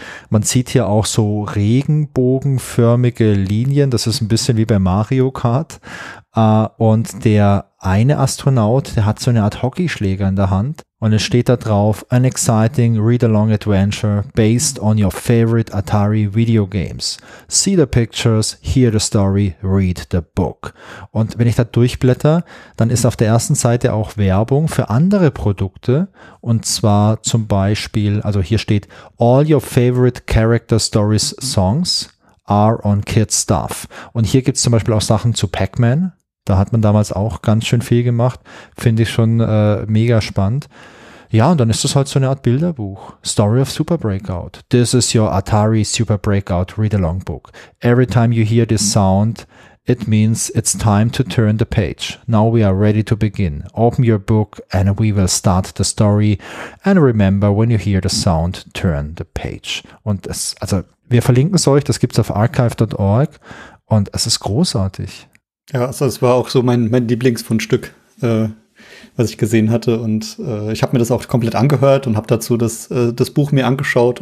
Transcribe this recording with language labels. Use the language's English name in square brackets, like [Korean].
[German] Man sieht hier auch so regenbogenförmige Linien, das ist ein bisschen wie bei Mario Kart. Und der eine Astronaut, der hat so eine Art Hockeyschläger in der Hand und es steht da drauf, [English] an exciting read-along adventure based on your favorite Atari video games. See the pictures, hear the story, read the book. [German] Und wenn ich da durchblätter, dann ist auf der ersten Seite auch Werbung für andere Produkte und zwar zum Beispiel, also hier steht, [English] all your favorite character stories songs are on kids stuff. [German] Und hier gibt's zum Beispiel auch Sachen zu Pac-Man. Da hat man damals auch ganz schön viel gemacht. Finde ich schon mega spannend. Ja, und dann ist das halt so eine Art Bilderbuch. [English] Story of Super Breakout. This is your Atari Super Breakout read-along book. Every time you hear this sound, it means it's time to turn the page. Now we are ready to begin. Open your book and we will start the story. And remember, when you hear the sound, turn the page. [German] Und das, also wir verlinken es euch. Das gibt's auf archive.org. Und es ist großartig. Ja, also das war auch so mein Lieblingsfundstück, was ich gesehen hatte. Und ich habe mir das auch komplett angehört und habe dazu das Buch mir angeschaut.